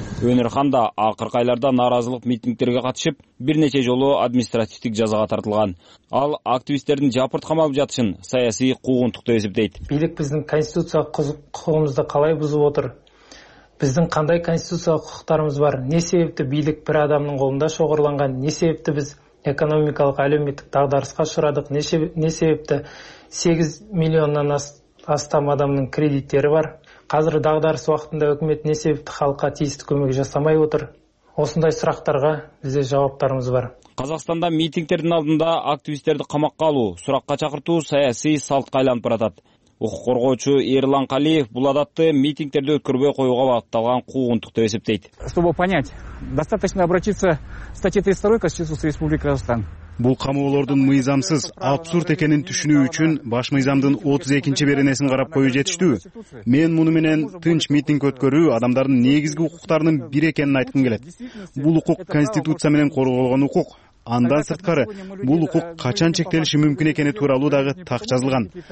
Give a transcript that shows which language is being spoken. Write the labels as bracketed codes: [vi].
[ky] Өнөрхан да акыркы айларда нааразылык митингтерге катышып, бир нече жолу административдик жазага тартылган. Ал активисттердин жапырт камалып жатышын саясий куугунтук деп эсептейт. Бийлик биздин конституциялык кукугубузду калай бузуп отур? Биздин кандай конституциялык укуктарыбыз бар? Эмне себепти бийлик бир адамдын колунда шогурланган? Эмне себепти биз экономикалык [kk] әлеуметтик дағдарысқа шырадық? Не себепті 8 миллионнан астам адамның кредиттері бар? Қазір дағдарыс уақытында үкімет не себепті халыққа тиісті көмек жасамай отыр? Осындай сұрақтарға бізде жауаптарымыз бар. Қазақстанда митингтердің алдында активистерді қамаққа алу, сұраққа шақырту саяси салтқа айланып баратады. [ky] Укук коргоочу Ирлан Калиев бул адатты митингдерди өткөрбөй коюуга багытталган куугунтук деп эсептейт. [ru] Чтобы понять, достаточно обратиться к статье 32 Конституции Республики Казахстан. [ky] Бул камоолордун мыйзамсыз, абсурд экенин түшүнүү үчүн баш мыйзамдын 32-чи беренесин карап коюу жетиштүү. Мен муну менен тынч митинг өткөрүү адамдардын негизги укуктарынын бири экенин айткым келет. Бул укук конституция менен корголгон укук. Андан сырткары, бул укук качан чектелиши мүмкүн экени тууралуу дагы так жазылган.